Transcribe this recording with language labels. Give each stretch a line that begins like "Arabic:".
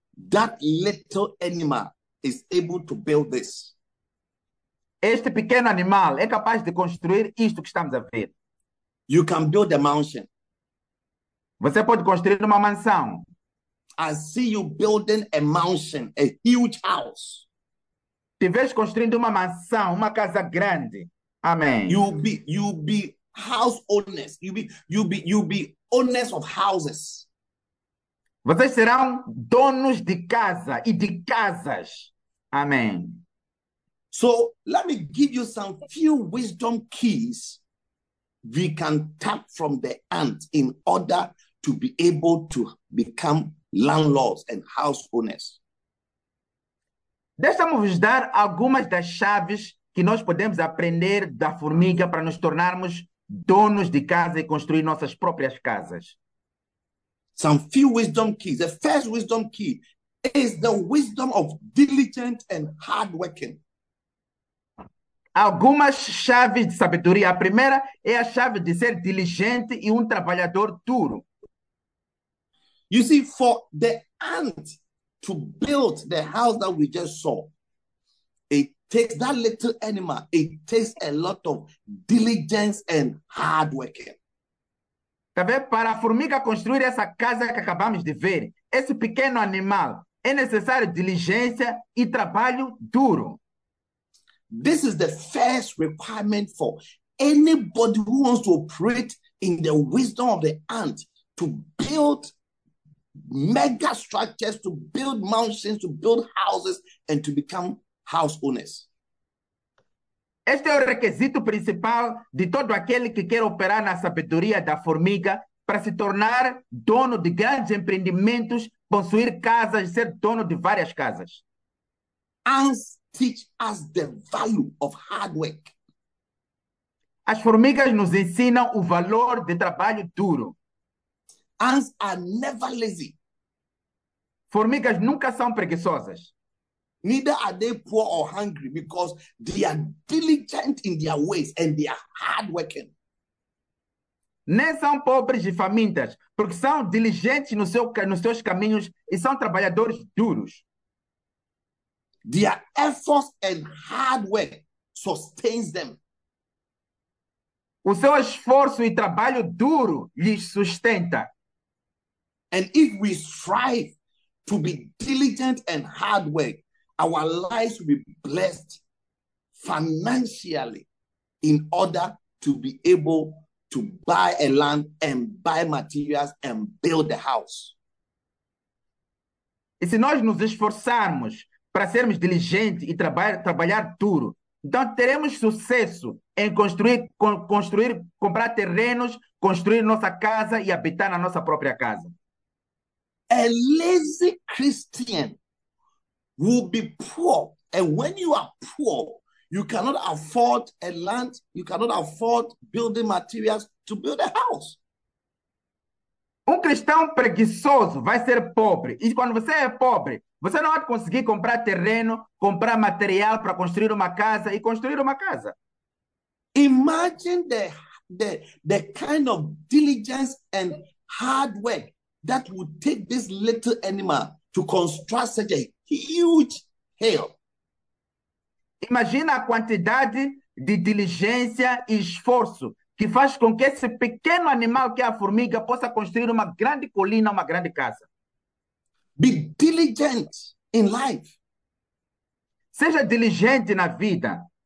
English: That little animal is able to build this.
Portuguese: Este pequeno animal é capaz de construir isto que estamos a ver.
English: You can build a mansion.
Portuguese: Você pode construir uma mansão.
English: I see you building a mansion, a huge house.
Portuguese: Te vejo construindo uma mansão, uma casa grande. Amém.
English: You'll be house owners. You'll be owners of houses.
Portuguese: Vocês serão donos de casa e de casas. Amém.
English: So let me give you some few wisdom keys we can tap from the ant in order to be able to become landlords and house owners.
Portuguese: Deixa-me vos dar algumas das chaves que nós podemos aprender da formiga para nos tornarmos donos de casa e construir nossas próprias casas.
English: Some few wisdom keys. The first wisdom key is the wisdom of diligent and hardworking.
Portuguese: Algumas chaves de sabedoria. A primeira é a chave de ser diligente e um trabalhador duro.
English: You see, for the ant to build the house that we just saw, it takes that little animal, it takes a lot of diligence and hard working.
Portuguese: Tá vendo? Para a formiga construir essa casa que acabamos de ver, esse pequeno animal, é necessário diligência e trabalho duro.
English: This is the first requirement for anybody who wants to operate in the wisdom of the ant to build mega structures, to build mountains, to build houses, and to become house owners.
Portuguese: Este é o requisito principal de todo aquele que quer operar na sabedoria da formiga para se tornar dono de grandes empreendimentos, possuir casas, ser dono de várias casas.
English: Ants teach us the value of hard work.
Portuguese: As formigas nos ensinam o valor de trabalho duro.
English: Ants are never lazy.
Portuguese: Formigas nunca são preguiçosas.
English: Neither are they poor or hungry because they are diligent in their ways and they are hardworking.
Portuguese: Nem são pobres e famintas, porque são diligentes no seu, nos seus caminhos e são trabalhadores duros.
English: Their efforts and hard work sustains them.
Portuguese: O seu esforço e trabalho duro lhes sustenta.
English: And if we strive to be diligent and hard work, our lives will be blessed financially in order to be able to buy a land and buy materials and build a house.
Portuguese: E se nós nos esforçarmos para sermos diligentes e trabalhar duro, então teremos sucesso em construir, comprar terrenos, construir nossa casa e habitar na nossa própria casa.
English: A lazy Christian will be poor. And when you are poor, you cannot afford a land, you cannot afford building materials to build a house.
Portuguese: Um cristão preguiçoso vai ser pobre. E quando você é pobre, você não vai conseguir comprar terreno, comprar material para construir uma casa e construir uma casa.
English: Imagine the kind of diligence and hard work that would take this little animal to construct such a huge hill.
Portuguese: Imagina a quantidade de diligência e esforço que faz com que esse pequeno animal, que é a formiga, possa construir uma grande colina, uma grande casa.
English: Be diligent in life.
Portuguese: Seja diligente na vida.